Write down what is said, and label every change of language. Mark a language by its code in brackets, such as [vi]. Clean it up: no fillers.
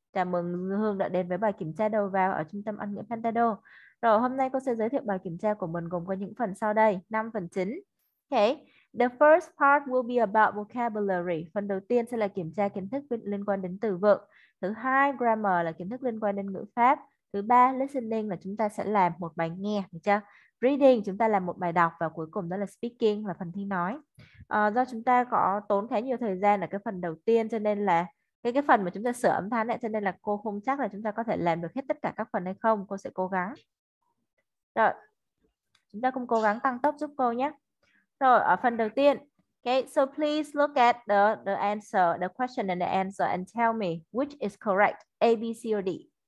[vi] Chào mừng Hương đã đến với bài kiểm tra đầu vào ở trung tâm Anh ngữ Pantado. Rồi, hôm nay cô sẽ giới thiệu bài kiểm tra của mình gồm có những phần sau đây, 5 phần chính. [en] Ok, the first part will be about vocabulary. [vi] Phần đầu tiên sẽ là kiểm tra kiến thức liên quan đến từ vựng. Thứ hai, grammar là kiến thức liên quan đến ngữ pháp. Thứ ba, listening là chúng ta sẽ làm một bài nghe, được chưa? Reading, chúng ta làm một bài đọc. Và cuối cùng đó là speaking, là phần thi nói. Do chúng ta có tốn khá nhiều thời gian ở cái phần đầu tiên, cho nên là cái phần mà chúng ta sửa âm thanh này, cho nên là cô không chắc là chúng ta có thể làm được hết tất cả các phần hay không. Cô sẽ cố gắng. Rồi, chúng ta cùng cố gắng tăng tốc giúp cô nhé. Rồi, ở phần đầu tiên. [en] Okay, so please look at the question and the answer and tell me which is correct, A, B, C, or D.